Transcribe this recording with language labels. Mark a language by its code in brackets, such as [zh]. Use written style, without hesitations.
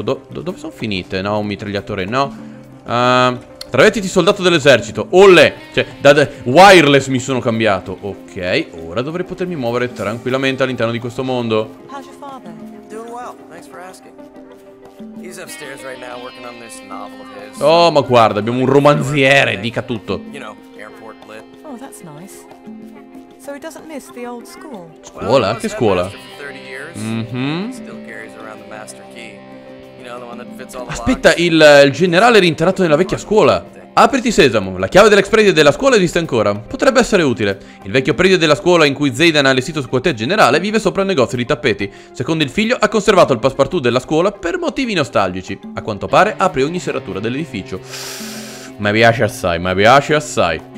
[it] Dove sono finite? No, un mitragliatore, no. Travestiti soldato dell'esercito. Olè. Cioè, da wireless mi sono cambiato. Ok, ora dovrei potermi muovere tranquillamente all'interno di questo mondo. [en] How's your father? Doing well. Thanks for asking. He He's upstairs right now working on this novel of his. [it] Oh, ma guarda, abbiamo un romanziere, dica tutto. [en] You know, airport lit. Oh, that's nice. So he doesn't miss the old school. [it] Scuola? Che scuola? [en] Still carries around the master key. You know, the one that fits all the. [it] Aspetta, il generale era interrato nella vecchia scuola. Apriti sesamo, la chiave dell'ex predio della scuola esiste ancora. Potrebbe essere utile. Il vecchio predio della scuola in cui Zaydan ha allestito suo quartier generale vive sopra un negozio di tappeti. Secondo il figlio, ha conservato il passepartout della scuola per motivi nostalgici. A quanto pare, apre ogni serratura dell'edificio. Mi piace assai, mi piace assai.